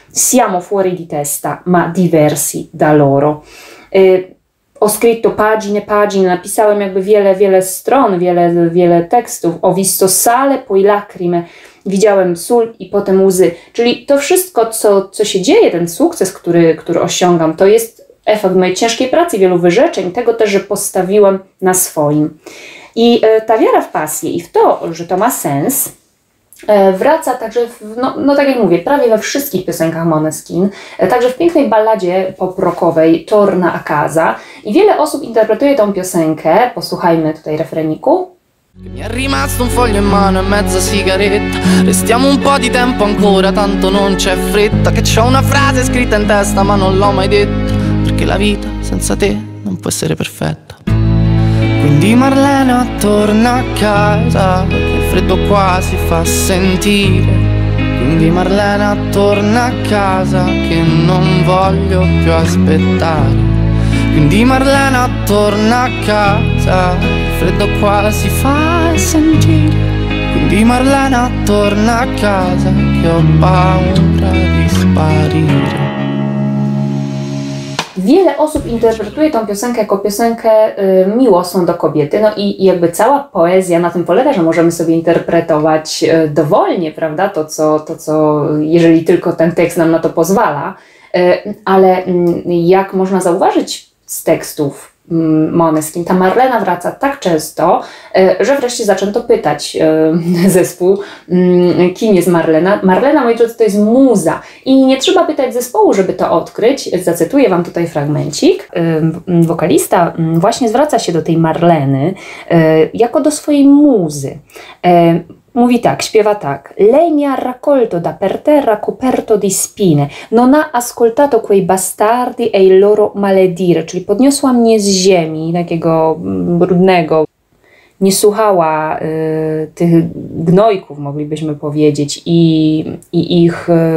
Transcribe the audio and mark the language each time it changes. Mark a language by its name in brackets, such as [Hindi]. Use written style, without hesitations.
[Italian] Siamo fuori di testa, ma diversi da loro. Ho scritto pagine, pagine, [Polish] napisałem jakby wiele, wiele stron, wiele, wiele tekstów. [Italian] Ho visto sale, poi lacrime, [Polish] widziałem sól i potem łzy. Czyli to wszystko, co się dzieje, ten sukces, który osiągam, to jest efekt mojej ciężkiej pracy, wielu wyrzeczeń, tego też, że postawiłam na swoim. I ta wiara w pasję i w to, że to ma sens, wraca także, tak jak mówię, prawie we wszystkich piosenkach Måneskin, także w pięknej balladzie pop-rockowej Torna a casa. I wiele osób interpretuje tę piosenkę, posłuchajmy tutaj refreniku. [Italian] Mi è rimasto un foglio in mano e mezza sigaretta. Restiamo un po' di tempo ancora, tanto non c'è fretta. Che c'ho una frase scritta in testa, ma non l'ho mai detta. Perché la vita senza te non può essere perfetta. Quindi Marlena torna a casa, il freddo qua si fa sentire. Quindi Marlena torna a casa, che non voglio più aspettare. Quindi Marlena torna a casa, il freddo qua si fa sentire. Quindi Marlena torna a casa, che ho paura di sparire. [Polish] Wiele osób interpretuje tę piosenkę jako piosenkę miłosną do kobiety. No i jakby cała poezja na tym polega, że możemy sobie interpretować dowolnie, prawda, to co, jeżeli tylko ten tekst nam na to pozwala. Ale jak można zauważyć z tekstów Måneskin, ta Marlena wraca tak często, że wreszcie zaczęto pytać zespół, kim jest Marlena. Marlena, moi drodzy, to jest muza. I nie trzeba pytać zespołu, żeby to odkryć. Zacytuję wam tutaj fragmencik. Wokalista właśnie zwraca się do tej Marleny jako do swojej muzy. Mówi tak, śpiewa tak. [Italian] Lei mi ha raccolto da per terra coperto di spine, non ha ascoltato quei bastardi e il loro maledire. [Polish] Czyli podniosła mnie z ziemi, takiego brudnego. Nie słuchała tych gnojków, moglibyśmy powiedzieć, i ich.